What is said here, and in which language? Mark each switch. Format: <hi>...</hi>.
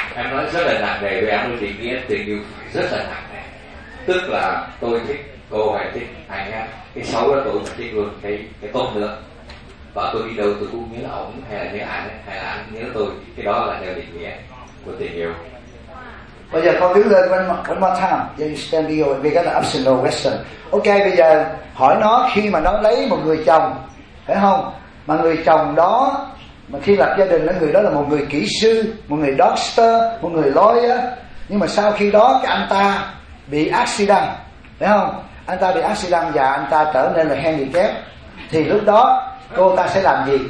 <vi>Em nói rất là nặng nề với em luôn, định nghĩa tình yêu rất là nặng nề. Tức là tôi thích cô hay thích anh á, cái xấu đó tôi thích luôn, cái tốt nữa. Và tôi đi đâu tôi cũng nhớ ổng hay là nhớ anh hay là anh nhớ tôi. Cái đó là theo định nghĩa của tình yêu. Bây giờ con đứng lên one more time.</vi> <en>Yeah, you stand here and we got an optional question.</en> <vi>Ok, bây giờ hỏi nó khi mà nó lấy một người chồng, phải không? Mà người chồng đó, mà khi lập gia đình, người đó là một người kỹ sư, một người doctor, một người lawyer. Nhưng mà sau khi đó cái anh ta bị accident, phải không? Anh ta bị accident và anh ta trở nên là handicap. Thì lúc đó cô ta sẽ làm gì?</vi>